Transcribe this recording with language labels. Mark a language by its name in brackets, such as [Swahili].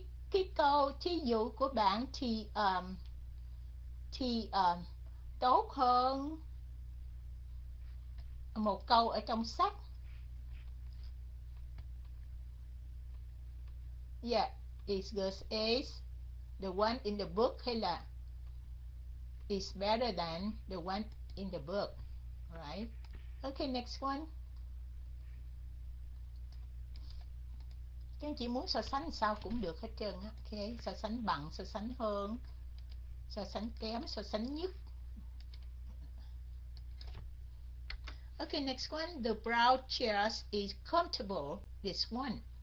[Vietnamese] Cái câu thí dụ của bạn thì tốt hơn một câu ở trong sách. [English] Yeah, it's good as the one in the book [Vietnamese] hay là [English] is better than the one in the book, right? Okay, next one. [Vietnamese] Chứ chị muốn so sánh sao cũng được hết trơn á. Okay. So sánh bằng, so sánh hơn, so sánh kém, so sánh nhất. [English] Okay, next one. The brown chairs is comfortable. This one.